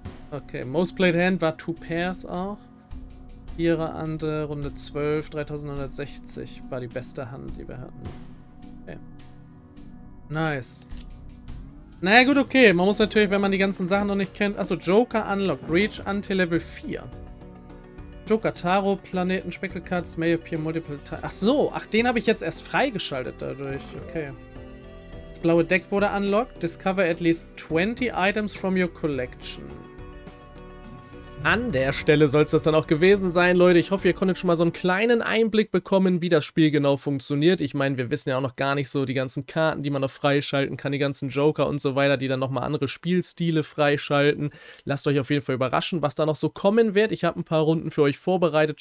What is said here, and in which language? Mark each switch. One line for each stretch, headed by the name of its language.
German: Okay, Most Played Hand war Two Pairs auch. Ihre Ante, Runde 12, 3160 war die beste Hand, die wir hatten. Okay. Nice. Naja, gut, okay. Man muss natürlich, wenn man die ganzen Sachen noch nicht kennt.
English: Achso, Joker unlocked. Reach Ante Level 4. Joker Taro, Planeten, Speckelcards, May appear multiple times.
German: Ach so, ach, den habe ich jetzt erst freigeschaltet dadurch. Okay. Das blaue Deck wurde unlocked.
English: Discover at least 20 items from your collection.
German: An der Stelle soll es das dann auch gewesen sein, Leute. Ich hoffe, ihr konntet schon mal so einen kleinen Einblick bekommen, wie das Spiel genau funktioniert. Ich meine, wir wissen ja auch noch gar nicht so die ganzen Karten, die man noch freischalten kann, die ganzen Joker und so weiter, die dann nochmal andere Spielstile freischalten. Lasst euch auf jeden Fall überraschen, was da noch so kommen wird. Ich habe ein paar Runden für euch vorbereitet.